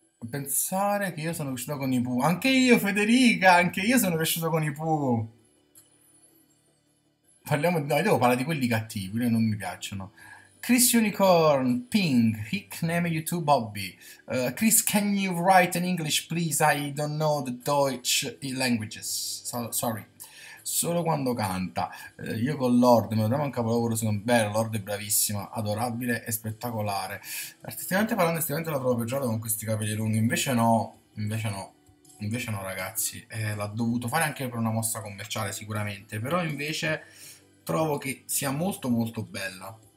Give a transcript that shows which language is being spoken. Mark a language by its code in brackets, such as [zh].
[it] Pensare che io sono cresciuto con i Pooh. Anche io, Federica! Anche io sono cresciuto con i Pooh! Parliamo di... No, io devo parlare di quelli cattivi, quelli non mi piacciono. Chris Unicorn, Ping, Hickname YouTube Bobby. [en] Chris, can you write in English, please? I don't know the Deutsch languages. [it] Sorry. Solo quando canta. Io con Lorde, me lo trovo un capolavoro secondo me. Lorde è bravissima, adorabile e spettacolare. Artisticamente parlando, esteticamente la trovo peggiore con questi capelli lunghi. Invece no, invece no, invece no, ragazzi. L'ha dovuto fare anche per una mossa commerciale, sicuramente. Però invece trovo che sia molto molto bella.